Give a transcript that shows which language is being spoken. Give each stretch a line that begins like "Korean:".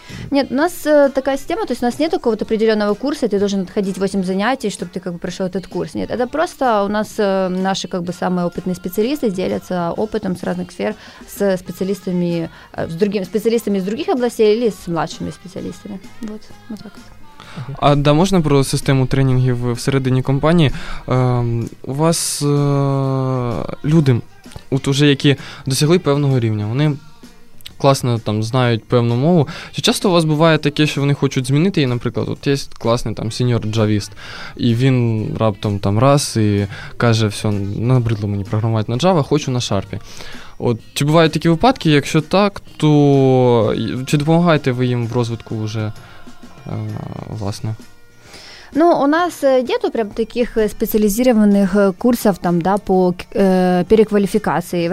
Russian: Нет, у нас такая система, то есть у нас нет какого-то определенного курса, ты должен отходить 8 занятий, чтобы ты, как бы, прошел этот курс. Нет, это просто у нас наши, как бы, самые опытные специалисты делятся опытом с разных сфер с специалистами, с другими специалистами из других областей или с младшими специалистами. Вот, вот так вот.
Ukrainian: А да, можна про систему тренінгів всередині компанії? У вас люди, от уже які досягли певного рівня, вони класно там знають певну мову. Чи часто у вас буває таке, що вони хочуть змінити її, наприклад, от є класний там сеньор-джавіст, і він раптом там раз і каже, все, набридло мені програмувати на Java, хочу на Sharpі. От, чи бувають такі випадки? Якщо так, то чи допомагаєте ви їм в розвитку вже? Власне.
Russian: Ну, у нас нету прям таких специализированных курсов там, да, по переквалификации.